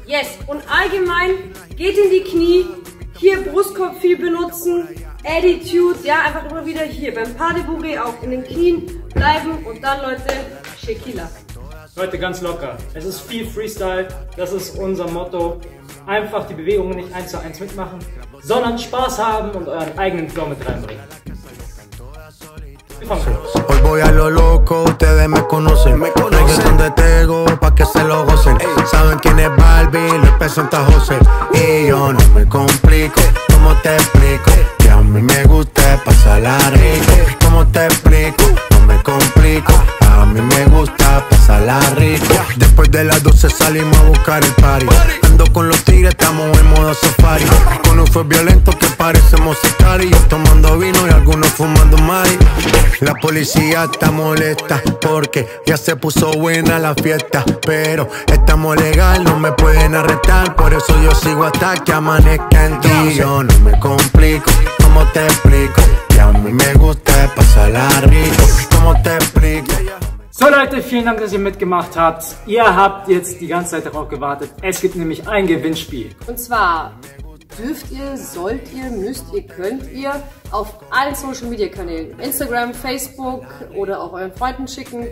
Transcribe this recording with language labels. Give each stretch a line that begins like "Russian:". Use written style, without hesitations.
German: Yes, und allgemein geht in die Knie. Hier Brustkorb viel benutzen, Attitude, ja, einfach immer wieder hier beim Pas de Bourrée auch in den Knien bleiben und dann, Leute, Shakila. Leute, ganz locker. Es ist viel Freestyle, das ist unser Motto. Einfach die Bewegungen nicht 1:1 mitmachen, sondern Spaß haben und euren eigenen Flow mit reinbringen. Wir fangen los.
Spanish: voy a lo loco, ustedes me conocen. Reggaeton de Tego, pa' que se lo gocen. Saben quién es Balvin, lo presenta José. Y yo no me complico, ¿cómo te explico? Que a mí me gusta pasarla rico. ¿Cómo te explico? No me complico. A mí me gusta pasarla rico. Después de las 12 salimos a buscar el party. Ando con los tigres, estamos en modo safari. Con un fue violento que parecemos Sicari. Yo tomando vino y algunos fumando mari. La policía está molesta porque ya se puso buena la fiesta. Pero estamos legal, no me pueden arrestar. Por eso yo sigo hasta que amanezca en ti. Yo no me complico, ¿cómo te explico? Que a mí me gusta pasarla rico. ¿Cómo te explico?
German: So Leute, vielen Dank, dass ihr mitgemacht habt. Ihr habt jetzt die ganze Zeit darauf gewartet. Es gibt nämlich ein Gewinnspiel. Und zwar dürft ihr, sollt ihr, müsst ihr, könnt ihr auf allen Social Media Kanälen, Instagram, Facebook oder auch euren Freunden schicken.